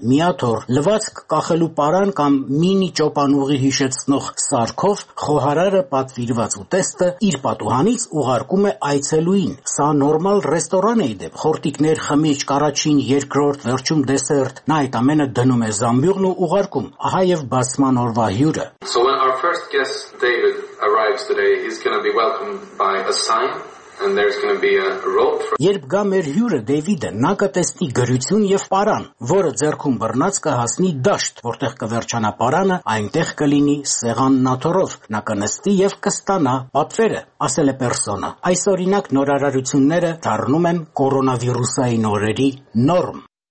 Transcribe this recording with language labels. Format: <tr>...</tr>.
<hy>միաթոր, լվացք կախելու պարան կամ մինի ճոպանուղի հիշեցնող սարքով խոհարարը պատվիրված ուտեստը իր պատուհանից ուղարկում է այցելուին։ Սա նորմալ ռեստորան է, իդեպ խորտիկներ խմի իչ առաջին, երկրորդ, վերջում դեսերտ, նա այդ ամենը դնում է զամբյուղն ու ուղարկում, ահա եւ բացման օրվա հյուրը։</hy> <en>So when our first guest David arrives today, he's going to be welcomed by a sign. And there's going to be a rope for</en> <hy>Երբ գա մեր հյուրը Դեվիդը, նա կտեսնի գրություն եւ պարան, որը ձեռքում բռնած կհասնի դաշտ, որտեղ կվերջանա պարանը, այնտեղ կլինի սեղան նաթորով, նա կնստի եւ կստանա պատվերը, ասել է Պերսոնա։ Այս օրինակ նորարարությունները դառնում են կորոնավիրուսային օրերի նորմ։</hy>